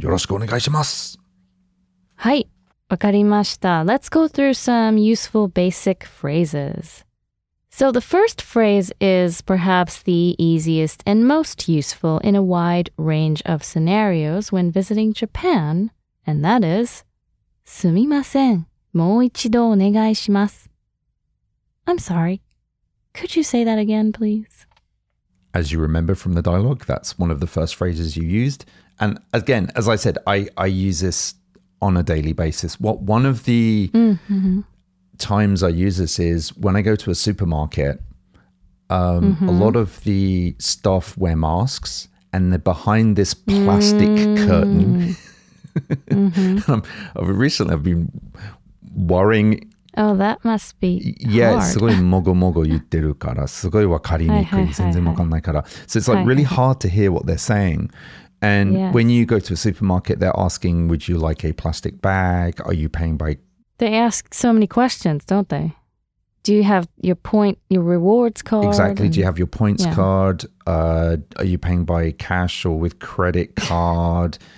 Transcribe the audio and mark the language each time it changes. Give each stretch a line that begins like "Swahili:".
Japanese: よろしくお願いします。はい。わかりました.
English: Let's go through some useful basic phrases. So the first phrase is perhaps the easiest and most useful in a wide range of scenarios when visiting Japan, and that is,
Japanese: すみません。もう一度お願いします.
English: I'm sorry. Could you say that again, please? As you remember from the dialogue, that's one of the first phrases you used. And again, as I said, I use this on a daily basis. What one of the times I use this is when I go to a supermarket, a lot of the staff wear masks and they're behind this plastic curtain. Recently I've been worrying. Oh, that must be hard.
Japanese: すごいもごもご言ってるからすごいわかりにくい全然わかんないから.
English: So it's like really hard to hear what they're saying. And when you go to a supermarket, they're asking, would you like a plastic bag? Are you paying by... They ask so many questions, don't they? Do you have your point, your rewards card? Exactly. And... do you have your points card? Are you paying by cash or with credit card?